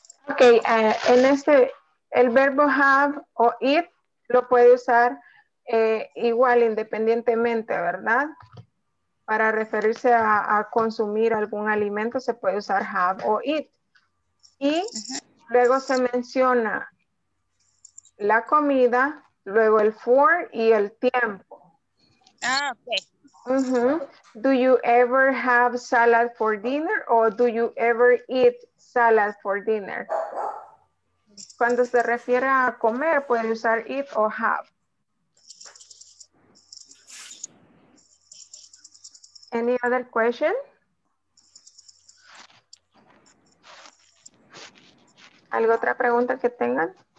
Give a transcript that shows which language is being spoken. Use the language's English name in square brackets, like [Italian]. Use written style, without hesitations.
[Spanish] Okay, en este el verbo have o eat lo puede usar igual independientemente, ¿verdad? Para referirse a consumir algún alimento se puede usar have o eat. Y luego se menciona la comida, luego el for y el tiempo. Ah, ok. Uh-huh. [English] Do you ever have salad for dinner [Spanish] o [English] do you ever eat salad for dinner? [Spanish] Cuando se refiere a comer, puede usar eat o have. [English] Any other question? [Spanish] ¿Alguna otra pregunta que tengan?